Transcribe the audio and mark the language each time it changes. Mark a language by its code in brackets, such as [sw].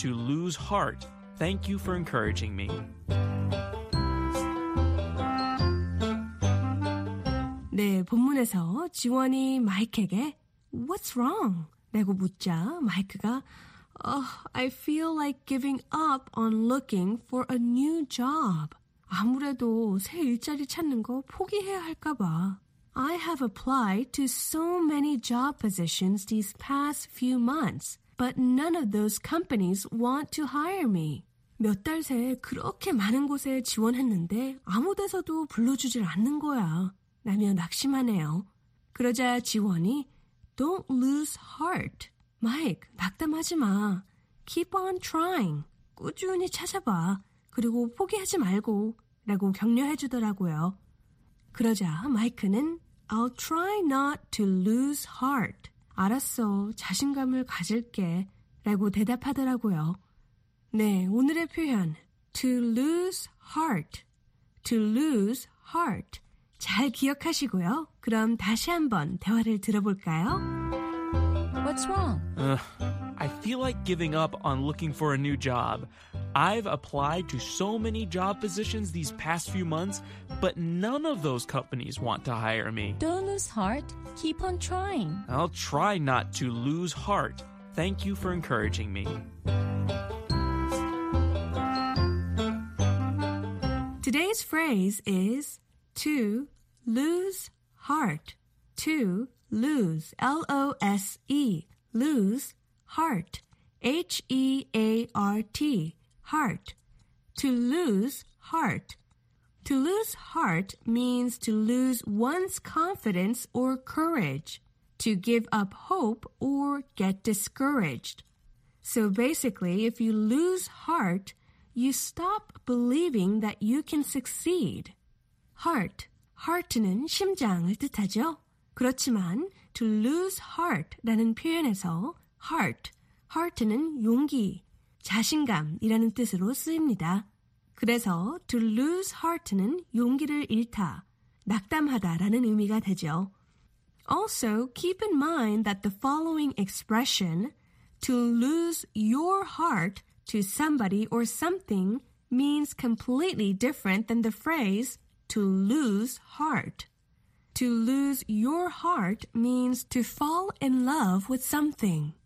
[zh] 我们要去 [en] find out what it means to lose heart. But first, we'll listen to today's conversation. Listen carefully. What's wrong? I feel like giving up on looking for a new job. I've applied to so many job positions these past few months, but none of those companies want to hire me. Don't lose heart. Keep on trying. I'll try not to lose heart. Thank you for encouraging me. What's wrong? [ko] 라고 묻자 마이크가 [en] I feel like giving up on looking for a new job. [ko] 아무래도 새 일자리 찾는 거 포기해야 할까 봐. [en] I have applied to so many job positions these past few months, but none of those companies want to hire me. [ko] 몇 달 새 그렇게 많은 곳에 지원했는데 아무 데서도 불러주질 않는 거야. 라며 낙심하네요. 그러자 지원이 [en] Don't lose heart. Mike, [ko] 낙담하지 마. [en] Keep on trying. [ko] 꾸준히 찾아봐. 그리고 포기하지 말고. 라고 격려해 주더라고요. 그러자 마이크는 [en] I'll try not to lose heart. [ko] 알았어. 자신감을 가질게. 라고 대답하더라고요. 네, 오늘의 표현. [en] To lose heart. To lose heart. [ko] 잘 기억하시고요. 그럼 다시 한번 대화를 들어볼까요? [en] What's wrong? I feel like giving up on looking for a new job. I've applied to so many job positions these past few months, but none of those companies want to hire me. Don't lose heart. Keep on trying. I'll try not to lose heart. Thank you for encouraging me. Today's phrase is to lose heart. To lose, L-O-S-E, lose heart, H-E-A-R-T, heart. To lose heart. To lose heart means to lose one's confidence or courage, to give up hope or get discouraged. So basically, if you lose heart, you stop believing that you can succeed. Heart. [ko] Heart는 심장을 뜻하죠. 그렇지만 to lose heart라는 표현에서 heart, heart는 용기, 자신감이라는 뜻으로 쓰입니다. 그래서 to lose heart는 용기를 잃다, 낙담하다라는 의미가 되죠. [en] Also, keep in mind that the following expression, to lose your heart to somebody or something, means completely different than the phrase to lose heart. To lose your heart means to fall in love with something.